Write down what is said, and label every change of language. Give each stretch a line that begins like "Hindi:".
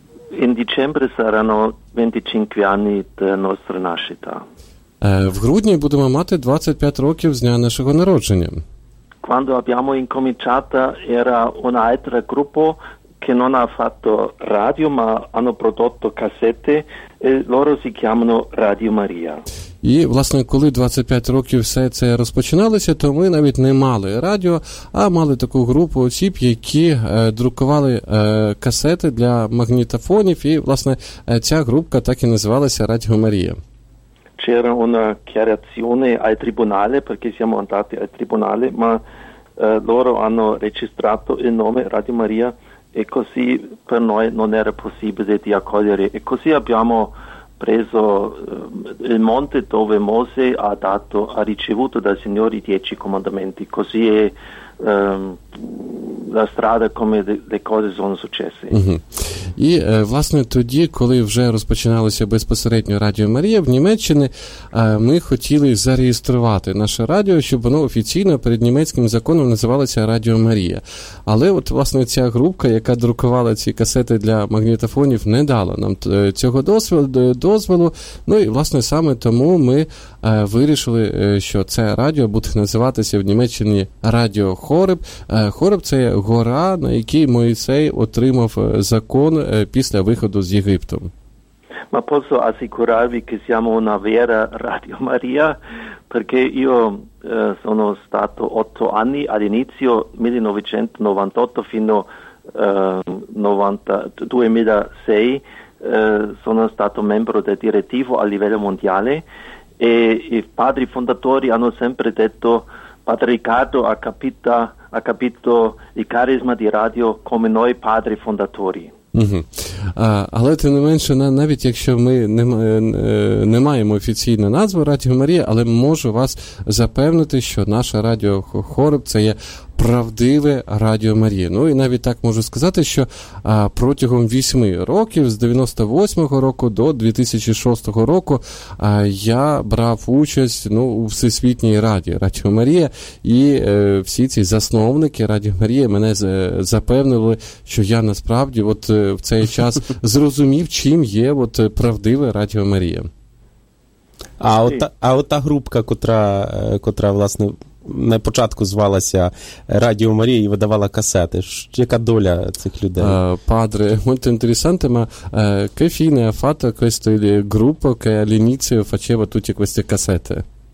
Italian: In dicembre saranno 25 anni della nostra nascita.
Ukrainian: В грудні будемо мати 25 років з дня нашого народження.
Italian: Quando abbiamo incominciato era un'altra gruppo che non ha fatto radio, ma hanno prodotto cassette e loro si chiamano Radio Maria.
Ukrainian: І, власне, коли 25 років все це розпочиналося, то ми навіть не мали радіо, а мали таку групу осіб, які друкували касети для магнітофонів, і, власне, ця група так і називалася Радіо Марія.
Italian: C'era una chiarazione al tribunale, perché siamo andati al tribunale, ma loro hanno registrato il nome Radio Maria e così per noi non era possibile di accogliere. E così abbiamo preso il monte dove Mosè ha ricevuto dal Signore i 10 comandamenti, così è la strada come le cose sono successe.
Ukrainian: І, власне, тоді, коли вже розпочиналося безпосередньо Радіо Марія в Німеччині, ми хотіли зареєструвати наше радіо, щоб воно офіційно перед німецьким законом називалося Радіо Марія. Але, от, власне, ця групка, яка друкувала ці касети для магнітофонів, не дала нам цього дозволу. Ну, і, власне, саме тому ми вирішили, що це радіо буде називатися в Німеччині Радіо Хореб. Хореб – це гора, на якій Мойсей отримав закон після виходу з Єгипту.
Italian: Ma posso assicurarvi che siamo una vera Radio Maria, perché io sono stato 8 anni all'inizio 1998 fino al 2006 sono stato membro del direttivo a livello mondiale e i padri fondatori hanno sempre detto: Padre Riccardo ha capito il carisma di radio come noi padri fondatori.
Ukrainian: Але, тим не менше, навіть якщо ми не маємо офіційну назву Радіо Марія, але можу вас запевнити, що наше Радіо Хореб – це є правдиве Радіо Марія. Ну, і навіть так можу сказати, що протягом 8 років, з 98-го року до 2006-го року, я брав участь, ну, у Всесвітній Раді Радіо Марія, і всі ці засновники Радіо Марія мене запевнили, що я насправді от в цей час зрозумів, чим є от правдиве Радіо Марія. А от та групка, котра, власне, на початку звалася Радіо Марія і видавала касети. Яка доля цих людей?
Italian: Padre, molto interessante, ma che fine ha fatto questo gruppo che all'inizio faceva tutte queste cassette?